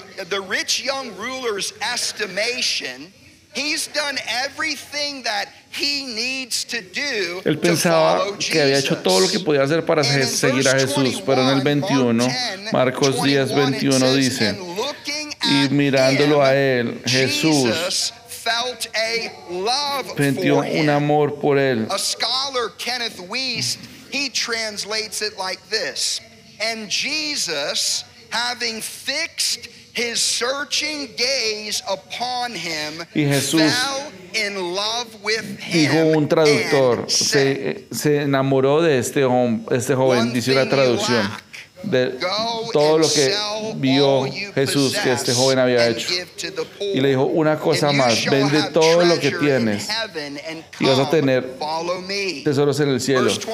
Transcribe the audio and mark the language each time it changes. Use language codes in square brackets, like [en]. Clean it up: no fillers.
[en] The rich young ruler's estimation, he's done everything that he needs to do. [es] Él pensaba que había hecho todo lo que podía hacer para seguir a Jesús, pero en el 21, Marcos 10, 21 dice, y mirándolo a él, Jesús [en] felt a love [es] sintió un amor por él. [en] A scholar, Kenneth Weiss, he translates it like this, and Jesus, having fixed his searching gaze upon him, [es] Jesús, [en] fell in love with him. [es] Dijo un traductor, se enamoró de este joven, dice la traducción, de todo lo que vio Jesús que este joven había hecho. Y le dijo una cosa más, vende todo lo que tienes y vas a tener tesoros en el cielo.